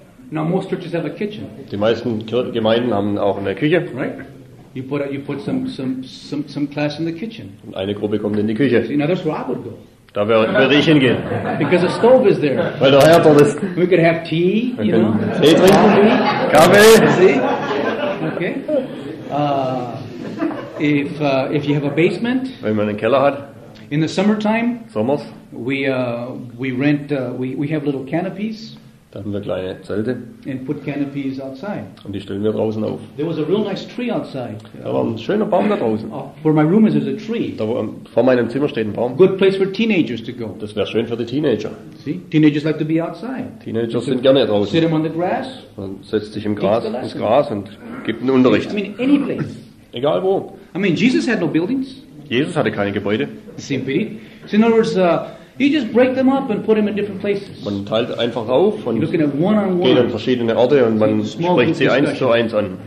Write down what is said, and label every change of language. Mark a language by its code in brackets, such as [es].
[de] Die meisten Gemeinden haben auch eine Küche. [en] You put some class in the kitchen. [de] Und eine Gruppe kommt in die Küche. [en] See, now that's where I would go. [de] Da würde ich hingehen. [en] Because the stove is there. [de] Weil der Herd ist. [en] We could have tea, you know. [de] Tee trinken. Kaffee. [en] See? Okay. If you have a basement. [de] Wenn man einen Keller hat. [en] In the summertime. [de] Sommers. [en] We rent, we have little canopies. [de] Da haben wir kleine Zelte. [en] And put canopies outside. [de] Und die stellen wir draußen auf. [en] There was a real nice tree outside. [de] Da war ein schöner Baum da draußen. [en] For my room is a tree. [de] Da, vor meinem Zimmer steht ein Baum. [en] Good place for teenagers to go. [de] Das wäre schön für die Teenager. [en] See? Teenagers like to be outside. [de] Teenager sind gerne draußen. [en] Sit them on the grass. [de] Man setzt sich im Gras, ins Gras und gibt einen Unterricht. [en] See, I mean, any place. [de] Egal wo. [en] I mean, Jesus had no buildings. [de] Jesus hatte keine Gebäude. [en] Same pity. So in other words, you just break them up and put them in different places. [de] Man teilt einfach auf und geht an verschiedene Orte und man spricht sie eins zu eins an.